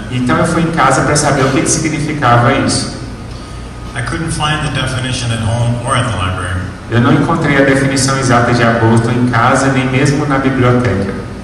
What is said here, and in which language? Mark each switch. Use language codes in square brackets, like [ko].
[pt] Então eu fui em casa para saber o que significava isso. [en] I couldn't find the definition at home or at the library. [pt] Eu não encontrei a definição exata de aborto em casa, nem mesmo na biblioteca.